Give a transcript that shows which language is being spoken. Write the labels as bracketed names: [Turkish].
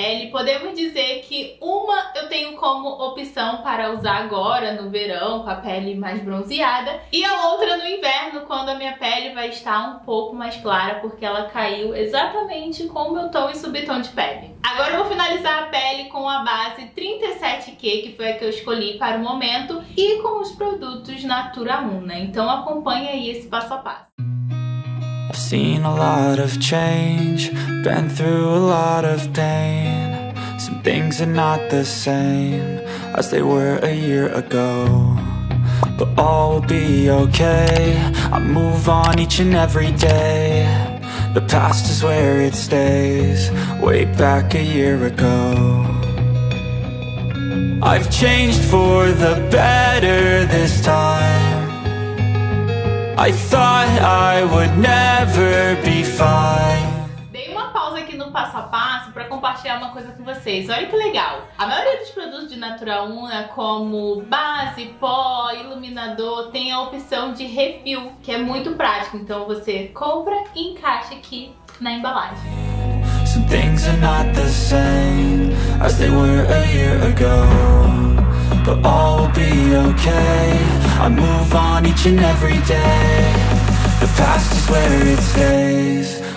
[Portuguese] Podemos dizer que uma eu tenho como opção para usar agora no verão com a pele mais bronzeada e a outra no inverno quando a minha pele vai estar um pouco mais clara porque ela caiu exatamente com o meu tom e subtom de pele. Agora eu vou finalizar a pele com a base 37Q, que foi a que eu escolhi para o momento, e com os produtos Natura Una. Então acompanha aí esse passo a passo. [English] I've seen a lot of change, been through a lot of pain. Some things are not the same as they were a year ago. But all will be okay, I move on each and every day. The past is where it stays, way back a year ago. I've changed for the better this time. I thought I would never be fine. [Portuguese] Passo a passo para compartilhar uma coisa com vocês. Olha que legal! A maioria dos produtos de Natura Una, como base, pó, iluminador, tem a opção de refil, que é muito prático. Então você compra e encaixa aqui na embalagem. [English] Some things are not the same as they were a year ago. But all will be okay. I move on each and every day. The past is where it stays.